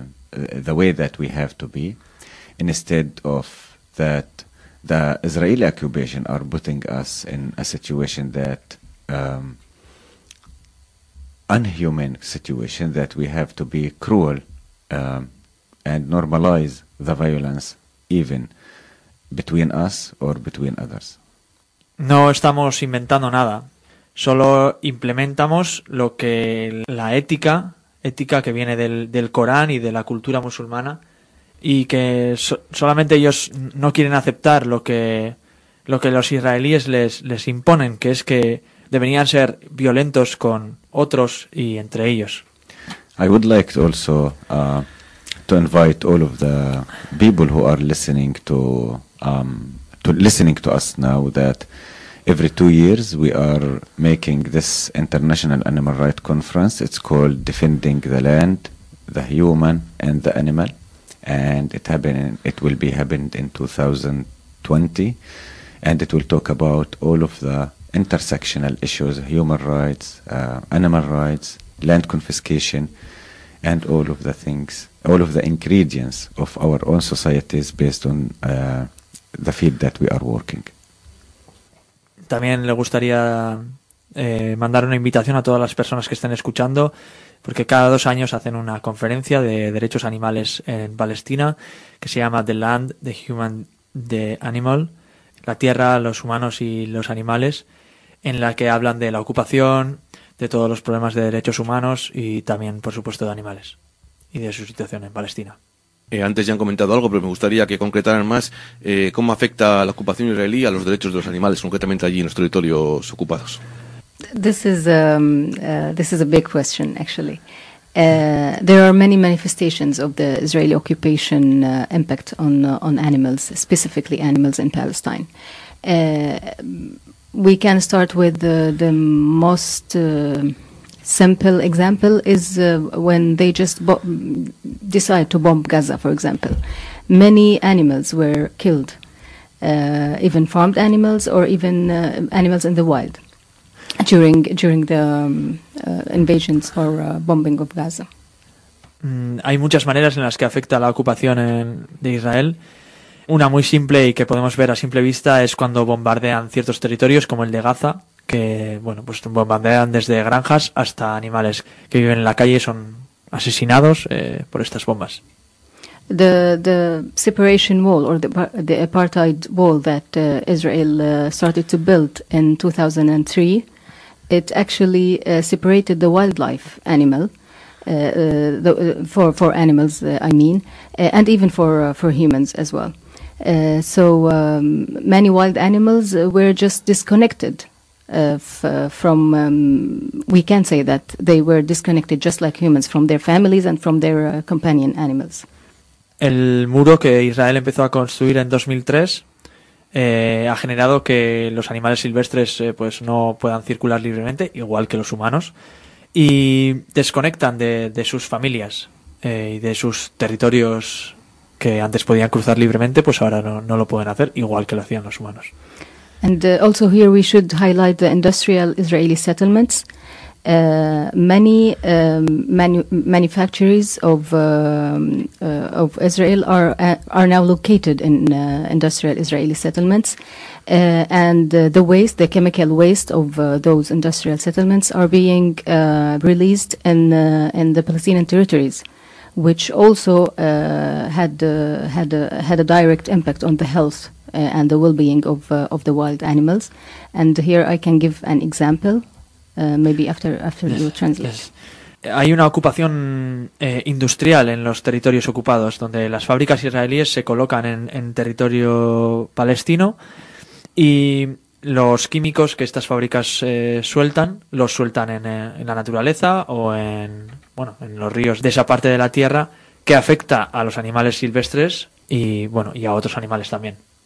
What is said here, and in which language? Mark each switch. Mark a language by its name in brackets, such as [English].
[English] the way that we have to be, instead of that the Israeli occupation are putting us in a situation that unhuman situation, that we have to be cruel and normalize the violence even between us or between others. [Spanish] No estamos inventando nada, solo implementamos lo que la ética que viene del Corán y de la cultura musulmana, y que solamente ellos no quieren aceptar lo que los israelíes les imponen, que es que deberían ser violentos con otros y entre ellos. [English] I would like to also to invite all of the people who are listening to us now, that every 2 years we are making this international animal rights conference. It's called Defending the Land, the Human and the Animal. And it will be happened in 2020, and it will talk about all of the intersectional issues, human rights, animal rights, land confiscation, and all of the things, all of the ingredients of our own societies based on the field that we are working. [Spanish] También le gustaría mandar una invitación a todas las personas que estén escuchando, porque cada 2 años hacen una conferencia de derechos animales en Palestina que se llama The Land, The Human The Animal, la tierra, los humanos y los animales, en la que hablan de la ocupación, de todos los problemas de derechos humanos y también, por supuesto, de animales y de su situación en Palestina. Antes ya han comentado algo, pero me gustaría que concretaran más cómo afecta la ocupación israelí a los derechos de los animales, concretamente allí en los territorios ocupados. [English] This is a big question, actually. There are many manifestations of the Israeli occupation impact on animals, specifically animals in Palestine. We can start with the most simple example is when they just decide to bomb Gaza, for example. Many animals were killed, even farmed animals or even animals in the wild. During the invasions or bombing of Gaza. [Spanish] Hay muchas maneras en las que afecta la ocupación de Israel. Una muy simple y que podemos ver a simple vista es cuando bombardean ciertos territorios como el de Gaza, que bueno, pues bombardean desde granjas hasta animales que viven en la calle y son asesinados por estas bombas. [English] The separation wall or the apartheid wall that Israel started to build in 2003. It actually separated the wildlife animal for animals, and even for humans as well. So many wild animals were just disconnected we can say that they were disconnected just like humans from their families and from their companion animals. [Spanish] El muro que Israel empezó a construir en 2003 ha generado que los animales silvestres pues no puedan circular libremente, igual que los humanos, y desconectan de sus familias y de sus territorios que antes podían cruzar libremente, pues ahora no lo pueden hacer, igual que lo hacían los humanos. [English] And also here we should highlight the industrial Israeli settlements. Many factories of Israel are now located in industrial Israeli settlements, and the waste, the chemical waste of those industrial settlements, are being released in the Palestinian territories, which also had a direct impact on the health and the well-being of the wild animals. And here I can give an example. [Spanish] Hay una ocupación industrial en los territorios ocupados, donde las fábricas israelíes se colocan en territorio palestino y los químicos que estas fábricas sueltan, los sueltan en la naturaleza o en los ríos de esa parte de la tierra, que afecta a los animales silvestres y a otros animales también.